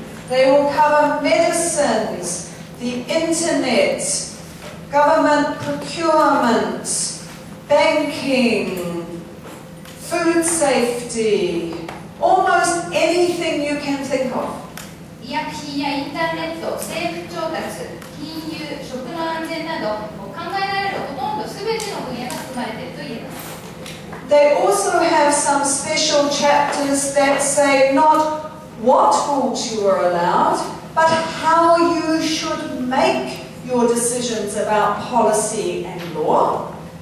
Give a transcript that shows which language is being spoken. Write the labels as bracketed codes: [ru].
[en] They will cover medicines, the internet, government procurement, banking, food safety, almost anything you can think of. [ja] 医薬品やインターネット、政府調達、金融、食の安全など考えられるほとんど全ての分野が含まれていると言えます。 [en] They also have some special chapters that say not what foods you are allowed, but how you should make your decisions about policy and law.